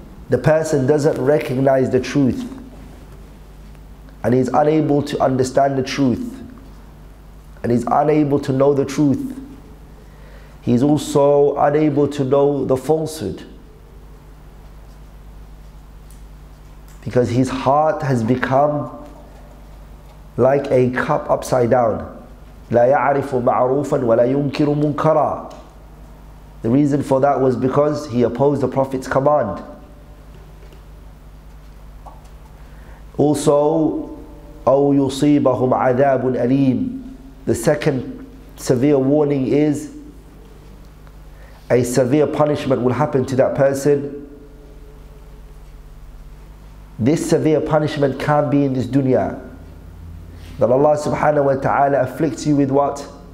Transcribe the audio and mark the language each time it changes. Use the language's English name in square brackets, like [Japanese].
[English] The person doesn't recognize the truth, and he's unable to understand the truth, and he's unable to know the truth. He's also unable to know the falsehood, because his heart has become like a cup upside down. [Arabic] لا يعرف معروفا ولا ينكر منكرا. [English] The reason for that was because he opposed the Prophet's command. [Arabic] Also, أو يصيبهم عذاب أليم. [English] The second severe warning is a severe punishment will happen to that person. This severe punishment can't be in this dunya. That Allah subhanahu wa ta'ala afflicts you with what?